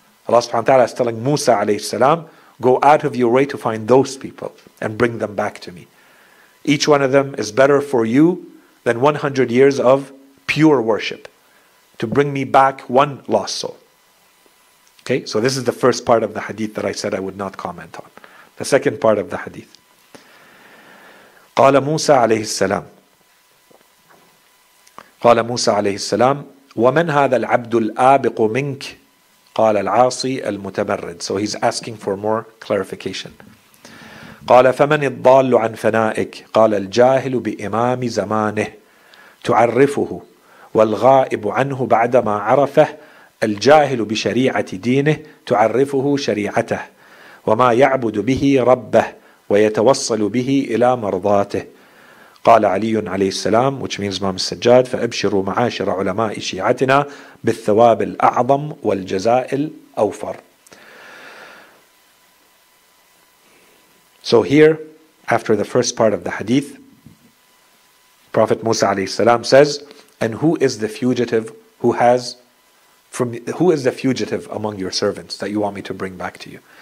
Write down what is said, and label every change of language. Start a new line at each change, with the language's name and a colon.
English: Allah subhanahu wa ta'ala is telling Musa alayhi salam, go out of your way to find those people and bring them back to me. Each one of them is better for you than 100 years of pure worship to bring me back one lost soul. Okay, so this is the first part of the hadith that I said I would not comment on. The second part of the hadith.
Arabic: قال موسى عليه السلام قال موسى عليه السلام ومن هذا العبد الآبق منك قال العاصي المتمرد.
English: So he's asking for more clarification.
Arabic: قال فمن الضال عن فنائك قال الجاهل بإمام زمانه تعرفه والغائب عنه بعدما عرفه الجاهل بشريعة دينه تعرفه شريعته وما يعبد به ربه ويتوصل به إلى مرضاته قال علي عليه السلام
English: which means Imam Sajjad
Arabic: فأبشروا معاشر علماء شيعتنا بالثواب الأعظم والجزاء الأوفر.
English: So here, after the first part of the hadith, Prophet Musa
Arabic: عليه السلام
English: says, and who is the fugitive among your servants that you want me to bring back to you?